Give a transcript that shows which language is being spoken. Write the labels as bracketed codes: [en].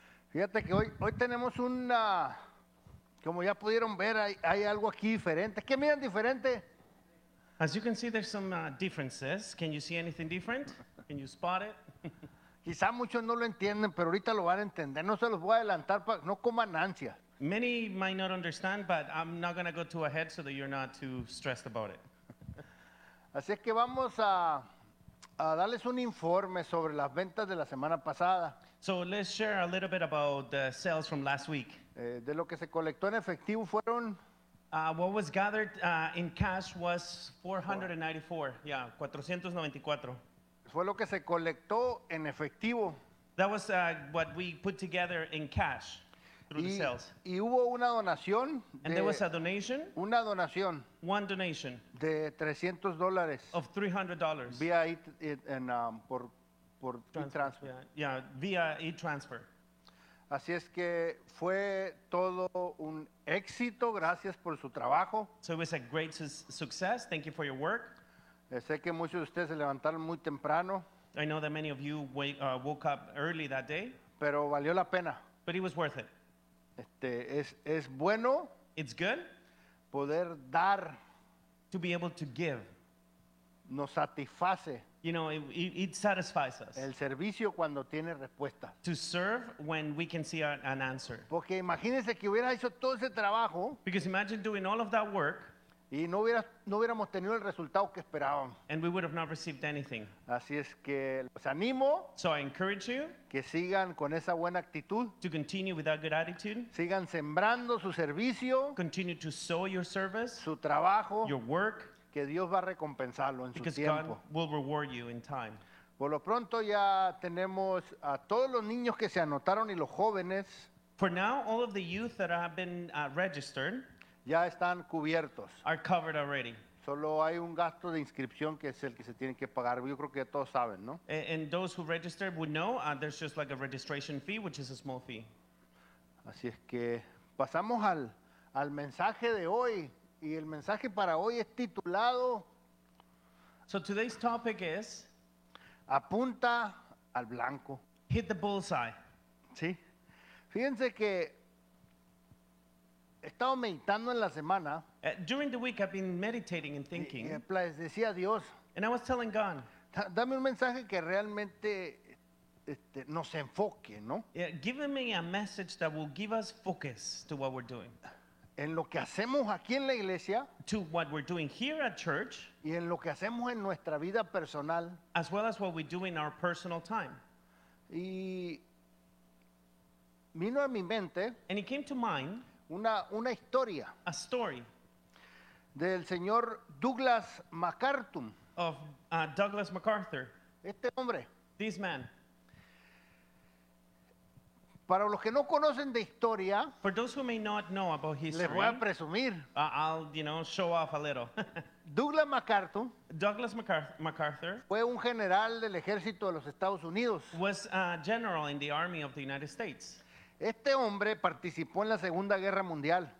[es] Fíjate que hoy tenemos una, como ya pudieron ver, hay algo aquí diferente. ¿Qué miran diferente? [en] As you can see, there's some differences. Can you see anything different? Can you spot it? [es] Quizá muchos no lo entienden, pero ahorita lo van a entender. No se los voy a adelantar, no coman ansia. [en] Many might not understand, but I'm not going to go too ahead so that you're not too stressed about it. [es] Así es que vamos a darles un informe sobre las ventas de la semana pasada. [en] So let's share a little bit about the sales from last week. [es] De lo que se colectó en efectivo fueron... [en] What was gathered in cash was 494. Oh. Yeah, 494. [es] Fue lo que se colectó en efectivo. [en] That was what we put together in cash through the sales. [es] Y hubo una donación. [en] And there was a donation. [es] Una donación. [en] One donation. [es] De $300. [en] Of $300. Via it and [es] por [en] transfer. Yeah, via e-transfer. [es] Así es que fue todo un éxito, gracias por su trabajo. [en] So it was a great success, thank you for your work. [es] Sé que muchos de ustedes se levantaron muy temprano. [en] I know that many of you woke up early that day. [es] Pero valió la pena. [en] But it was worth it. [es] Es bueno. [en] It's good. [es] Poder dar. [en] To be able to give. [es] Nos satisface. [en] You know, it satisfies us. [es] El servicio cuando tiene respuesta. [en] To serve when we can see an answer. [es] Porque imagínese que hubiera hecho todo ese trabajo. [en] Because imagine doing all of that work. [es] Y no hubiéramos tenido el resultado que esperábamos. [en] And we would have not received anything. [es] Así es que los animo. [en] So I encourage you. [es] Que sigan con esa buena actitud. [en] To continue with that good attitude. [es] Sigan sembrando su servicio. [en] Continue to sow your service. [es] Su trabajo. [en] Your work. [es] Que Dios va a recompensarlo en su tiempo. [en] Because God will reward you in time. [es] Por lo pronto ya tenemos a todos los niños que se anotaron y los jóvenes. [en] For now, all of the youth that have been registered. [es] Ya están cubiertos. [en] Are covered already. [es] Solo hay un gasto de inscripción que es el que se tiene que pagar. Yo creo que todos saben, ¿no? [en] And those who registered would know there's just like a registration fee, which is a small fee. [es] Así es que pasamos al mensaje de hoy. Y el mensaje para hoy es titulado. [en] So today's topic is. [es] Apunta al blanco. [en] Hit the bullseye. [es] Sí. Fíjense que. He estado meditando en la semana. [en] During the week, I've been meditating and thinking. [es] Y decía Dios. [en] And I was telling God. [es] Dame un mensaje que realmente nos enfoque, ¿no? [en] Yeah, give me a message that will give us focus to what we're doing. [es] En lo que hacemos aquí en la iglesia. [en] To what we're doing here at church. [es] Y en lo que hacemos en nuestra vida personal. [en] As well as what we do in our personal time. [es] Y vino a mi mente. [en] And it came to mind. [es] Una historia. [en] A story. [es] Del señor Douglas MacArthur. [en] Of Douglas MacArthur. [es] Este hombre. [en] This man. [es] Para los que no conocen de historia. [en] For those who may not know about history. [es] Les voy a presumir. [en] I'll show off a little. [es] Douglas MacArthur. [en] Douglas MacArthur. [es] Fue un general del ejército de los Estados Unidos. [en] Was a general in the army of the United States. [es] Este hombre participó en la Segunda Guerra Mundial.